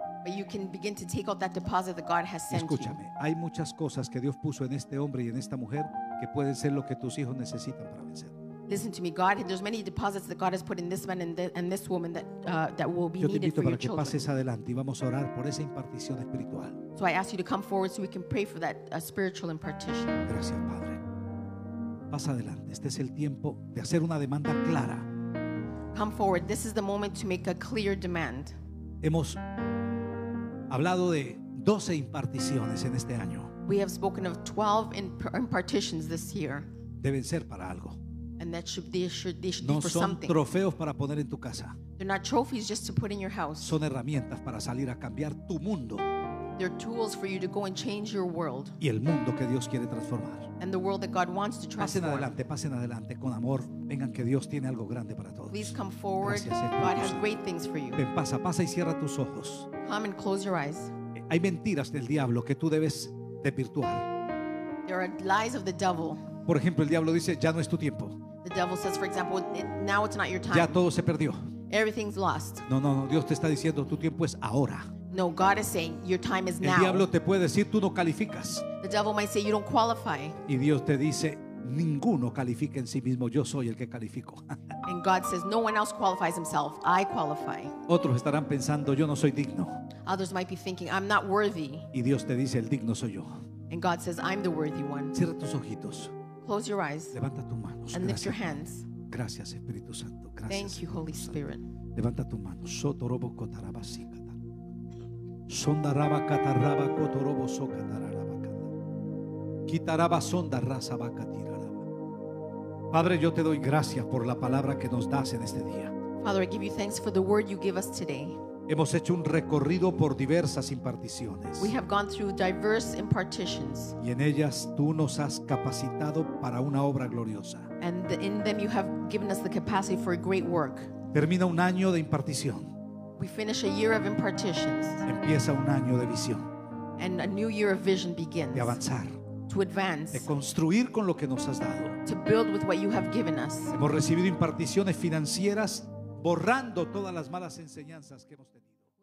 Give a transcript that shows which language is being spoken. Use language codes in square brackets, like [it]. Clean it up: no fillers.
[en] But you can begin to take out that deposit that God has sent. [es] Escúchame, [en] you. [es] Hay muchas cosas que Dios puso en este hombre y en esta mujer que pueden ser lo que tus hijos necesitan para vencer. [en] Listen to me, God. There's many deposits that God has put in this man and this woman that will be needed for your children. [es] Pases adelante y vamos a orar por esa impartición espiritual. [en] So I ask you to come forward so we can pray for that spiritual impartition. [es] Gracias, Padre. Pasa adelante. Este es el tiempo de hacer una demanda clara. [en] Come forward. This is the moment to make a clear demand. [es] Hemos hablado de 12 imparticiones en este año. [en] We have spoken of 12 impartitions this year. [es] Deben ser para algo. [en] And that should be, they should no be for something. [es] No son trofeos para poner en tu casa. [en] They're not trophies just to put in your house. [es] Son herramientas para salir a cambiar tu mundo. [en] They're tools for you to go and change your world. [es] Y el mundo que Dios quiere transformar. [en] And the world that God wants to transform. [es] Pasen adelante, pasen adelante con amor. Vengan que Dios tiene algo grande para todos. [en] Please come forward. God has great things for you. [es] Ven, pasa, pasa y cierra tus ojos. [en] Come and close your eyes. [es] Hay mentiras del diablo que tú debes desvirtuar. [en] There are lies of the devil. [es] Por ejemplo, el diablo dice, ya no es tu tiempo. [en] The devil says, for example, now it's not your time. [es] Ya todo se perdió. [en] Everything's lost. [es] No, no, no. Dios te está diciendo, tu tiempo es ahora. [en] No, God is saying your time is now. [es] El diablo te puede decir tú no calificas. [en] The devil might say you don't qualify. [es] Y Dios te dice ninguno califica en sí mismo. Yo soy el que califico. [en] And God says no one else qualifies himself. I qualify. [es] Otros estarán pensando yo no soy digno. [en] Others might be thinking I'm not worthy. [es] Y Dios te dice el digno soy yo. [en] And God says I'm the worthy one. [es] Cierra tus ojitos. [en] Close your eyes. [es] Levanta tus manos. [en] And lift your hands. [es] Gracias Espíritu Santo. Gracias. [en] Thank you Holy Spirit. [es] Levanta tus manos. Sotorobo kotarabasi. Sonda raba cataraba cotorobo socataraba cata. Quitaraba sonda raza vaca tiraraba. Padre, yo te doy gracias por la palabra que nos das en este día. [en] Father, I give you thanks for the word you give us today. [es] Hemos hecho un recorrido por diversas imparticiones. [en] We have gone through diverse impartitions. [es] Y en ellas tú nos has capacitado para una obra gloriosa. [en] And in them you have given us the capacity for a great work. [es] Termina un año de impartición. [en] We finish a year of impartitions. [es] Empieza un año de visión. [en] And a new year of vision begins. [es] De avanzar. [en] To advance. [es] De construir con lo que nos has dado. [en] To build with what you have given us. [es] Hemos recibido imparticiones financieras, borrando todas las malas enseñanzas que hemos tenido.